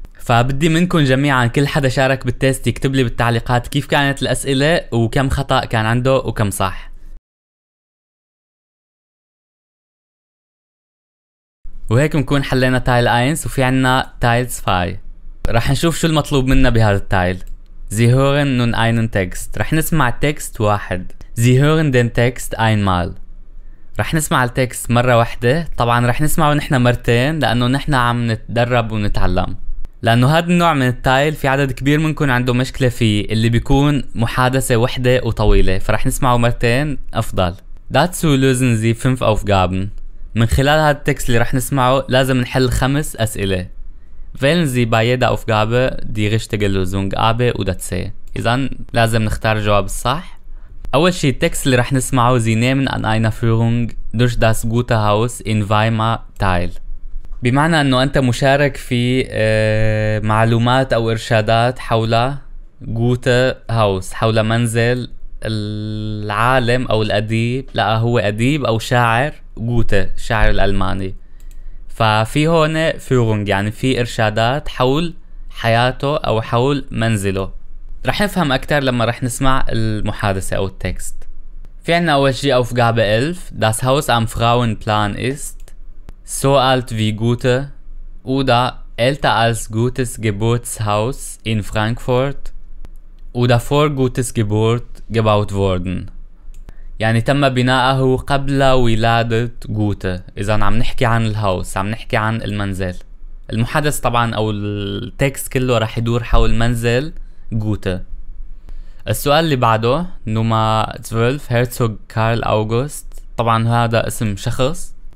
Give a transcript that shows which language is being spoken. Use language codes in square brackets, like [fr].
[ar] فبدي منكم جميعاً كل حدا شارك بالتيست يكتب لي بالتعليقات كيف كانت الأسئلة وكم خطأ كان عنده وكم صح. وهيك بنكون حلينا تايل أينس وفي عنا تايلز فاي. رح نشوف شو المطلوب منا بهذا التايل. [de] Sie hören nun einen Text. [ar] رح نسمع التكست واحد. [de] Sie hören den Text einmal. [ar] رح نسمع التكست مرة واحدة. طبعا رح نسمعه نحنا مرتين لأنه نحنا عم نتدرب ونتعلم. لأنه هذا النوع من التايل في عدد كبير منكم عنده مشكلة فيه اللي بيكون محادثة واحدة وطويلة. فرح نسمعه مرتين أفضل. [de] That's who lösen Sie fünf Aufgaben. [ar] من خلال هذا التكست اللي رح نسمعه لازم نحل خمس أسئلة. [de] Wählen Sie bei jeder Aufgabe die richtige Lösung A, B oder C. [ar] إذن لازم نختار جواب الصح. أول شيء التكست اللي رح نسمعه [de] Sie nehmen an einer Führung durch das gute Haus in Weimar teil. [ar] بمعنى أنه أنت مشارك في معلومات أو إرشادات حول gute Haus، حول منزل العالم أو الأديب، لا هو أديب أو شاعر Goethe، شاعر الألماني. ففي هون Führung يعني في إرشادات حول حياته أو حول منزله. رح نفهم أكتر لما رح نسمع المحادثة أو التكست. [de] في عنا أول شيء Aufgabe 11 Das Haus am Frauenplan ist so alt wie Goethe oder älter als Goethes Geburtshaus in Frankfurt oder vor Goethes Geburt gebaut worden. [ar] يعني تم بناءه قبل ولادة جوته. إذا عم نحكي عن الهاوس، عم نحكي عن المنزل. المحادث طبعا أو التكست كله راح يدور حول منزل جوته. السؤال اللي بعده نمرة 12 هيرتسوغ كارل أوغوست، طبعا هذا اسم شخص.